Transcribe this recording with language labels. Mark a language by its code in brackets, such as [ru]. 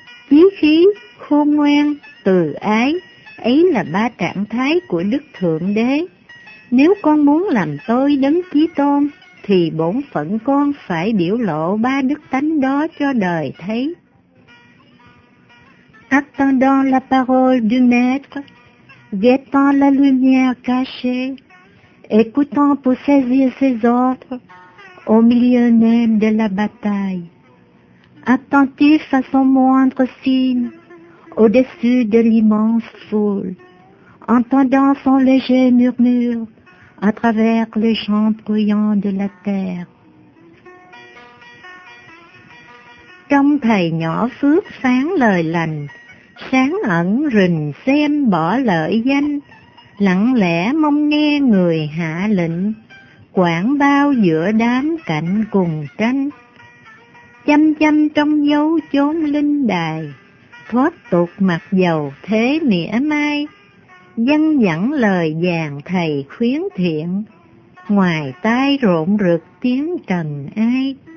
[vi] Chí khí, khôn ngoan, từ ái, ấy là ba trạng thái của Đức Thượng Đế. Nếu con muốn làm tôi đấng chí tôn, thì bổn phận con phải biểu lộ ba đức tánh đó cho đời thấy. [fr] Attendant la parole du maître, guettant la lumière cachée, écoutant pour saisir ses ordres, au milieu même de la bataille, attentif à son moindre signe, au-dessus de l'immense foule, entendant son léger murmure à travers les champs bruyants de la terre. [vi] Trong thầy nhỏ phước phán lời lành, sáng ẩn rình xem bỏ lợi danh, lặng lẽ mong nghe người hạ lệnh, quảng bao giữa đám cạnh cùng tranh, chăm chăm trong dấu chốn linh đài, thoát tục mặc dầu thế mỉa mai, dân dẫn lời vàng thầy khuyến thiện, ngoài tai rộn rực tiếng trần ai.